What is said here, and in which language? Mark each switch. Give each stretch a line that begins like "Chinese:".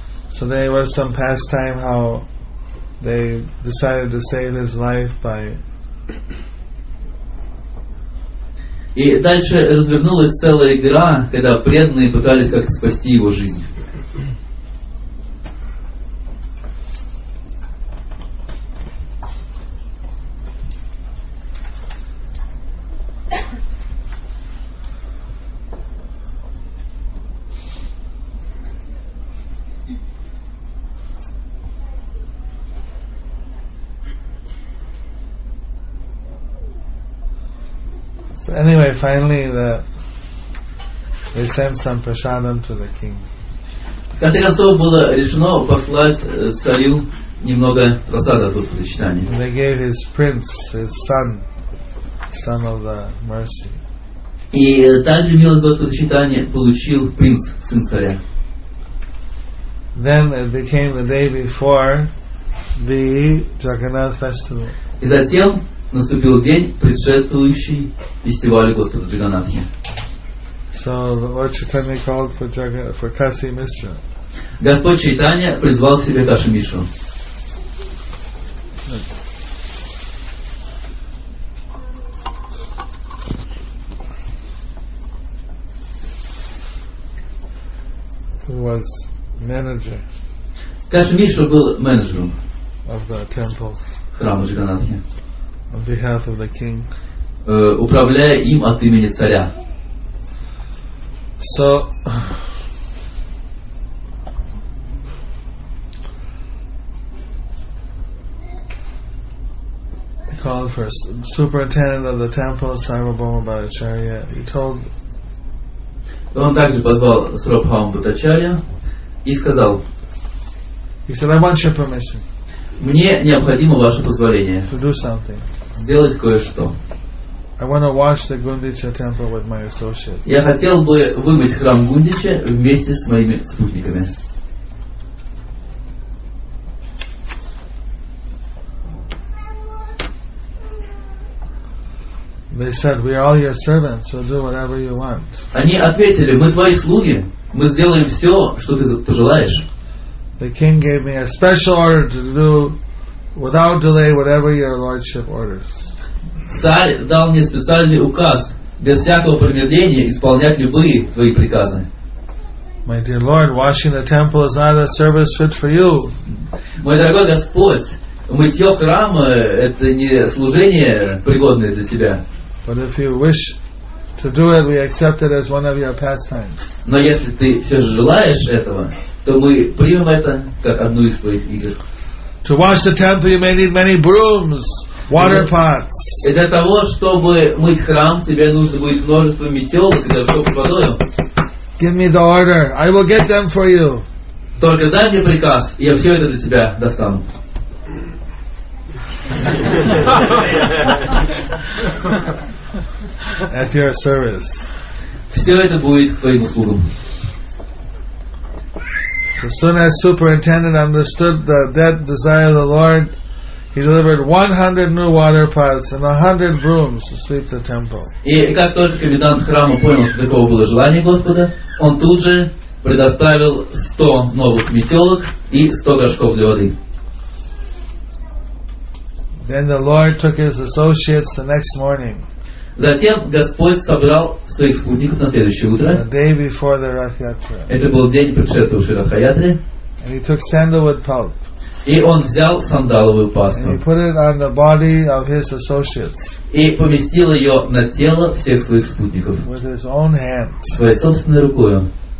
English: So there was some pastime how they decided to save his life by
Russian: И дальше развернулась целая игра, когда преданные пытались как-то спасти его жизнь.
English: Anyway, finally, they sent some prasadam to the king.
Russian: В конце концов было решено послать царю немного просада после причитания.
English: They gave his prince, his son, some of the mercy.
Russian: И также милость Господа читания получил принц, сын царя.
English: Then it became the day before the Jagannath festival.
Russian: И затем наступил день, предшествующий фестивалю Господа Джаганнатхи.
English: So Lord Chaitanya called for Kasi Mishra.
Russian: Господь Чайтанья призвал к себе Каши Мишру.
English: Who was manager?
Russian: Каши Мишра был менеджером
English: of the temple.
Russian: Храма Джаганнатхи.
English: On behalf of the king.
Russian: Управляя им от имени царя.
English: So he called for superintendent of the temple, Sarvabhauma Bhattacharya. He told.
Russian: Он также позвал Сарвабхаума Бхаттачарья и сказал.
English: He said, "I want your permission."
Russian: Мне необходимо ваше позволение.
English: To do something.
Russian: Сделать кое-что.
English: I want to wash the Gundicha temple with my associate.
Russian: Я хотел бы вымыть храм Гундича вместе с моими спутниками.
English: They said, "We are all your servants, so do whatever you want."
Russian: Они ответили: "Мы твои слуги, мы сделаем все, что ты пожелаешь."
English: The king gave me a special order to do without delay whatever your lordship orders.
Russian: Царь дал мне специальный указ без всякого промедления исполнять любые твои приказы.
English: My dear Lord, washing the temple is not a service fit for you.
Russian: Мой дорогой Господь, мытье храма это не служение пригодное для тебя.
English: But if you wish to do it, we accept it as one of your pastimes.
Russian: Но если ты все же желаешь этого, то мы примем это как одну из твоих игр.
English: To wash the temple, you may need many brooms, water pots.
Russian: И для того, чтобы мыть храм, тебе нужно будет множество метелок и горшков с водой.
English: Give me the order, I will get them for you.
Russian: Только дай мне приказ, и я все это для тебя достану.
English: At your service.
Russian: Все это будет к твоим услугам.
English: As soon as superintendent understood the dead desire of the Lord, he delivered 100 new water pots and 100 brooms to sweep the temple.
Russian: И как только комендант храма понял, что такого было желание Господа, он тут же предоставил 100 новых метелок и 100 горшков для воды.
English: Then the Lord took his associates the next morning.
Russian: Затем Господь собрал своих спутников на следующее утро.
English: The day before the Rath Yatra.
Russian: Это был день, предшествовавший Ратха Ятре.
English: And he took sandalwood pulp.
Russian: И он взял сандаловую пасту.
English: And he put it on the body of his associates.
Russian: И поместил ее на тело всех своих спутников.
English: With his own hand.
Russian: Своей собственной рукой.